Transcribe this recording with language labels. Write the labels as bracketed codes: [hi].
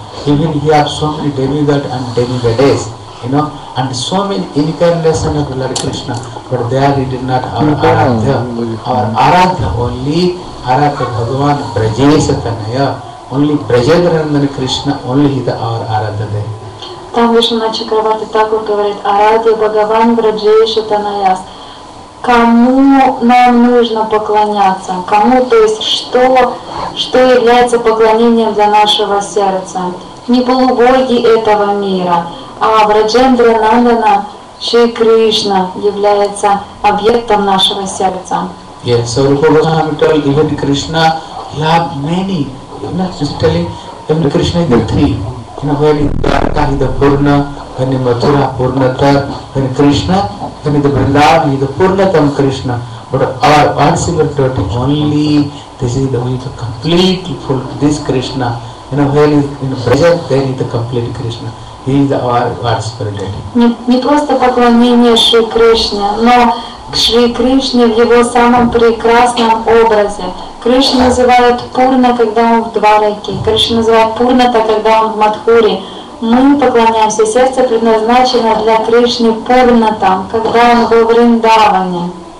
[en] Even he has so many demigods and demigoddesses, you know, and so many incarnations of Lord Krishna. But there he did not have Aradha. Our Aradha only. Aradha Bhagavan Brajesatanaya, only Brajadranandana Krishna, only he is our Aradha. [ru] Там Вишвана Чакраварти Тхакур говорит, Арадхи Бхагаван Враджей Шатанаяс. Кому нам нужно поклоняться? Кому, то есть что является поклонением для нашего сердца? Не полубоги этого мира, а Враджендра Нандана Шри Кришна является объектом нашего сердца. [en] Yes, so Rupa Goswami told even Krishna loved many. You know, just telling even Krishna is the three. You know, when in Dwarka he is the Purna, when in Mathura Purnatar, when Krishna, when in the Vrindavan he is the Purnatam Krishna. But our answer to it is only this is the way to complete full this Krishna. You know, where is in Braja, there is the complete Krishna. He is our spirit. [ru] Не просто поклонение Шри Кришне, но к Шри Кришне в его самом прекрасном образе. Кришна называет Пурна, когда он в Двараке. Кришна называет Пурната, когда он в Мадхуре. Мы поклоняемся. Сердце предназначено для Кришны Пурната, когда он был в Риндаване.